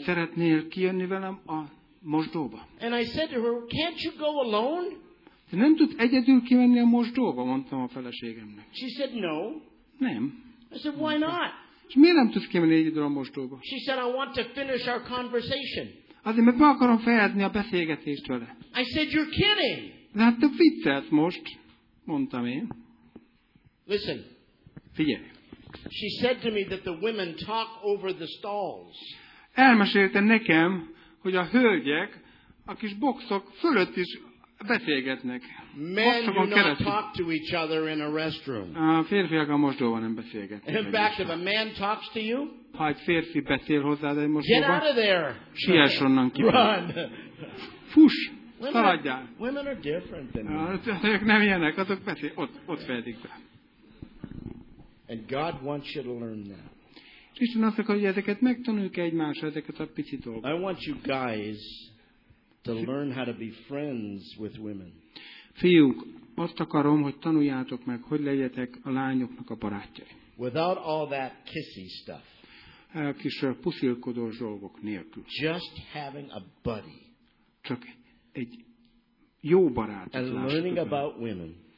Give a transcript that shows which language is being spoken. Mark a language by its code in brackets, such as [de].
[hu] Szeretnél kijönni velem a mosdóba? [en] And I said to her, can't you go alone? [hu] De nem tud egyedül kijönni a mosdóba, mondtam a feleségemnek. [en] She said no. [hu] Nem. [en] I said, why not? [hu] És miért nem tudsz kimenni egyedül a mosdóba? [en] She said, I want to finish our conversation. [hu] Azért, mert meg akarom fejezni a beszélgetést vele. [en] I said, you're kidding. [hu] De hát te viccelt most, mondtam én. [en] Listen. [hu] Figyelj. [en] She said to me that the women talk over the stalls. [hu] Elmesélte nekem, hogy a hölgyek a kis boxok fölött is beszélgetnek. [en] Men do not talk to each other in a restroom. [hu] A férfiak a mosdóban nem beszélgetnek. [en] In fact, if a man talks to you, [hu] ha egy férfi beszél hozzád egy mosdóban, [en] get out of there. [hu] Siess onnan ki. [en] Run. [hu] Fuss. Szaladjál. [en] Women are different than men. [hu] Ők nem ilyenek, azok beszél. Ott fejedik be. [en] And God wants you to learn that. [hu] Isten azt akarja, hogy ezeket megtanuljuk egymásra, ezeket a pici dolgokat. [en] I want you guys to learn how to be friends with women. [hu] Fiúk, azt akarom, hogy tanuljátok meg, hogy legyetek a lányoknak a barátjai. [en] Without all that kissy stuff. [hu] A kis puszilkodós dolgok nélkül. [en] Just having a buddy. [hu] Csak egy jó barát. [en] And learning about women.